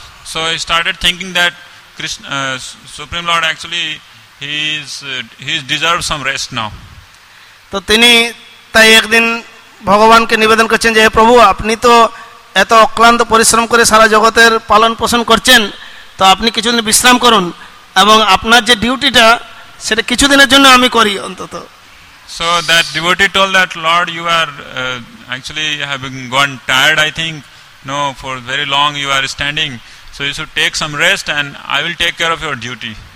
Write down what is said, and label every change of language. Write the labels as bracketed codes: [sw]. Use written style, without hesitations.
[en] So he started thinking that Krishna, Supreme Lord actually he deserves some rest now. [bn] So tini tai ek din bhagavan ke nivedan korchen je prabhu apni to এত অক্লান্ত পরিশ্রম করে সারা জগতের পালন পোষণ করছেন, তো আপনি কিছুদিন বিশ্রাম করুন এবং আপনার যে ডিউটিটা সেটা কিছুদিনের জন্য আমি করি অন্তত। [en] So that devotee told that Lord, you are actually having gone tired, I think No, for very long you are standing. So you should take some rest and I will take care of your duty.